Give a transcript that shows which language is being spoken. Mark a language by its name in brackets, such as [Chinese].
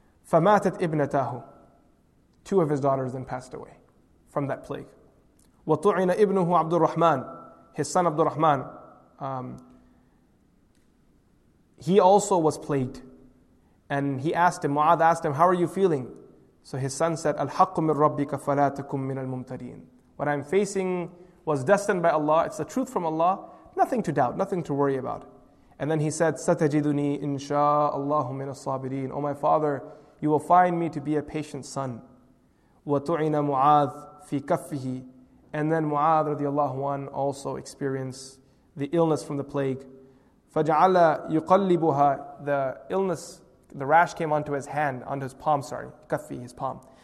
[Arabic] فَمَاتَتْ إِبْنَتَاهُ. [English] Two of his daughters then passed away from that plague. [Arabic] وَطُعِنَ إِبْنُهُ عَبْدُ الرَّحْمَنِ. [English] His son Abdul Rahman, he also was plagued. And he asked him, Mu'adh asked him, how are you feeling? So his son said, [Arabic] أَلْحَقُّ مِنْ رَبِّكَ فَلَا تَكُمْ مِنَ الْمُمْتَرِينَ. [English] What I'm facing was destined by Allah. It's the truth from Allah. Nothing to doubt, nothing to worry about. And then he said, [Arabic] سَتَجِدُنِي إِنْ شَاءَ اللَّهُ مِنَ الصَّابِرِينَ. [English] Oh my father, you will find me to be a patient son. [Arabic] وَطُعِنَ مُعَاذ فِي كَفِّهِ. [English] And then Mu'adh radiallahu anhu also experienced the illness from the plague. [Arabic] فَجَعَلَ يُقَلِّبُهَا. [English] The illness, the rash came onto his hand, onto his palm, sorry, كَفِّي, his palm.